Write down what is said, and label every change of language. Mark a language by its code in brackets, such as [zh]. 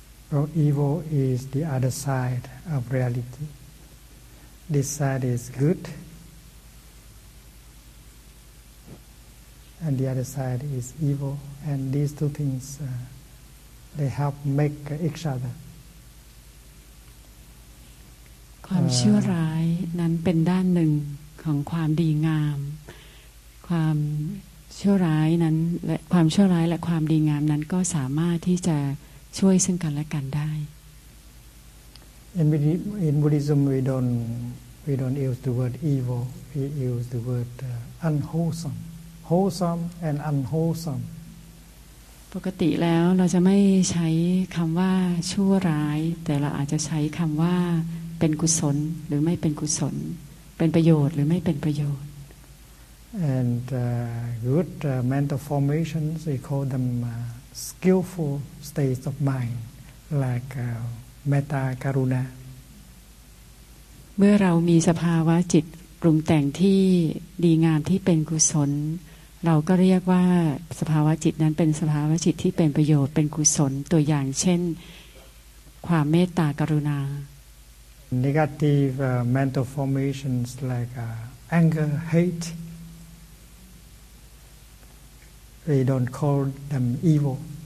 [en] So evil is the other side of reality. This side is good, and the other side is evil. And these two things, they help make each other. [th] ความชั่วร้ายนั้นเป็นด้านหนึ่งของความดีงามความชั่วร้ายนั้นและความชั่วร้ายและความดีงามนั้นก็สามารถที่จะช่วยซึ่งกันและกันได้ [en] In Buddhism we don't use the word evil, we use the word unwholesome and unwholesome [th] ปกติแล้วเราจะไม่ใช้คำว่าชั่วร้ายแต่เราอาจจะใช้คำว่าเป็นกุศลหรือไม่เป็นกุศลเป็นประโยชน์หรือไม่เป็นประโยชน์ [en] and good mental formations we call themskillful states of mind like metta karuna [th] เมื่อเรามีสภาวะจิตปรุงแต่งที่ดีงามที่เป็นกุศลเราก็เรียกว่าสภาวะจิตนั้นเป็นสภาวะจิตที่เป็นประโยชน์เป็นกุศลตัวอย่างเช่นความเมตตากรุณา [en] negative mental formations like anger hateWe don't call them evil.